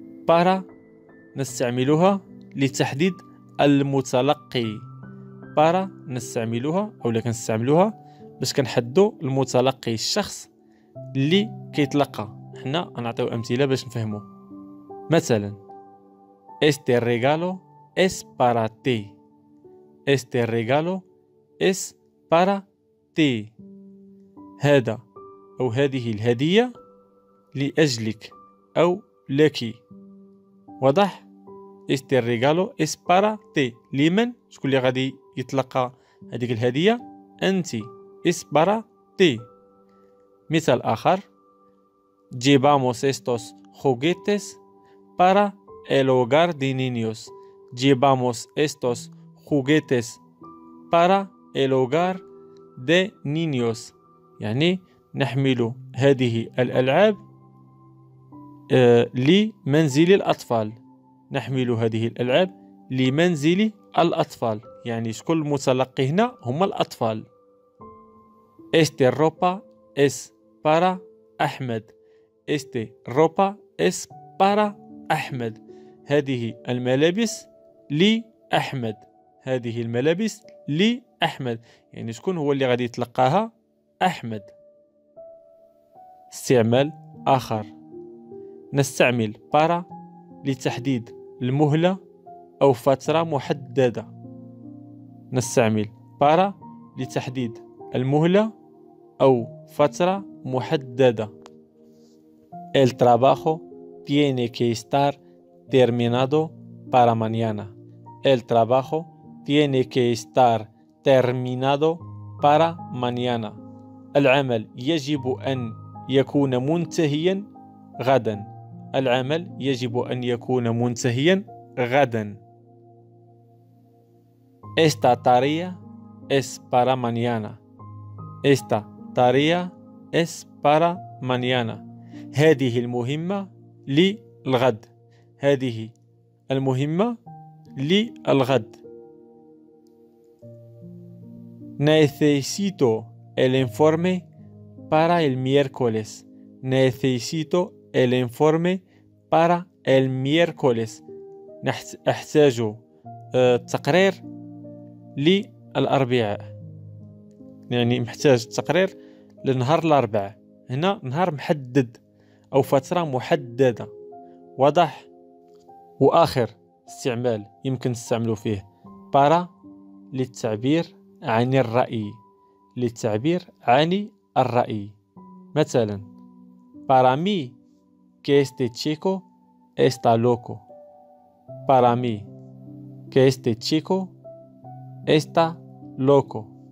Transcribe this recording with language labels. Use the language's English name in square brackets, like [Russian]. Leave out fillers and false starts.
[Arabic] Para نستعملها لتحديد المتلقي. بارا نستعملها أو لكن نستعملها باش كنحدو المتلقي، الشخص اللي كيتلقى. حنا نعطيو أمثلة باش نفهمو. مثلا [Spanish] Este regalo es para ti. Este regalo es para ti. [Arabic] هذا أو هذه الهدية لأجلك أو لك. واضح؟ [Spanish] Este regalo es para ti. [Arabic] لمن؟ شكون اللي غادي يتلقى هذيك الهدية؟ أنت. [Spanish] Es para ti. [Arabic] مثال آخر: [Spanish] Llevamos estos juguetes para el hogar de niños. Llevamos estos juguetes para el hogar de niños. [Arabic] يعني نحمل هذه الألعاب لمنزل الأطفال. نحمل هذه الألعاب لمنزل الأطفال. يعني شكون المتلقي هنا؟ هم الأطفال. [Spanish] Este ropa es para أحمد. Este ropa es para أحمد. [Arabic] هذه الملابس لأحمد. هذه الملابس لأحمد. يعني شكون هو اللي غادي يتلقاها؟ أحمد. استعمال آخر: نستعمل para لتحديد المهلة أو فترة محددة. نستعمل para لتحديد المهلة أو فترة محددة. [Spanish] El trabajo tiene que estar terminado para mañana. El trabajo tiene que estar terminado para mañana. [Arabic] العمل يجب أن يكون منتهيا غدا. العمل يجب أن يكون منتهيا غدا. [Spanish] Esta tarea es para mañana. Esta tarea es para mañana. [Arabic] هذه المهمة للغد، هذه المهمة للغد. [Spanish] Necesito el informe para el miércoles. Necesito el informe para el miércoles. [Arabic] أحتاج التقرير للأربعاء. يعني محتاج التقرير لنهار الأربعاء. هنا نهار محدد أو فترة محددة. واضح؟ وآخر استعمال يمكن تستعملوا فيه para للتعبير عن الرأي، للتعبير عن الرأي. مثلا [Spanish] para mí que este chico está loco. Para mí que este chico está loco.